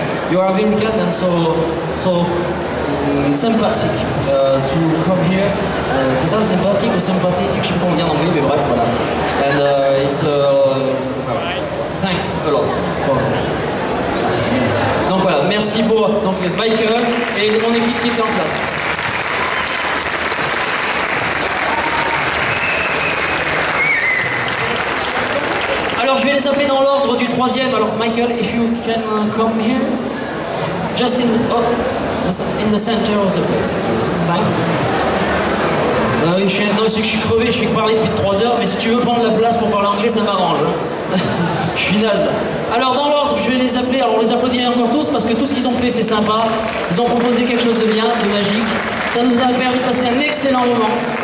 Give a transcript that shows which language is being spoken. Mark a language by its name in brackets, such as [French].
[English] You are very kind and so sympathique to come here. [French] C'est ça, sympathique ou sympathique, je sais pas comment dire en anglais, mais bref, voilà. [English] And it's thanks a lot for this. [French] Donc voilà, merci pour donc les Michael et mon équipe qui est en place. Alors je vais les appeler dans l'ordre du troisième. [English] Alors Michael, if you can come here, just in the center of the place. Thanks. [French] Non, c'est que je suis crevé, je fais que parler depuis 3 heures, mais si tu veux prendre la place pour parler anglais, ça m'arrange. Hein. Je suis naze. Alors, dans l'ordre, je vais les appeler. Alors, on les applaudit encore tous parce que tout ce qu'ils ont fait, c'est sympa. Ils ont proposé quelque chose de bien, de magique. Ça nous a permis de passer un excellent moment.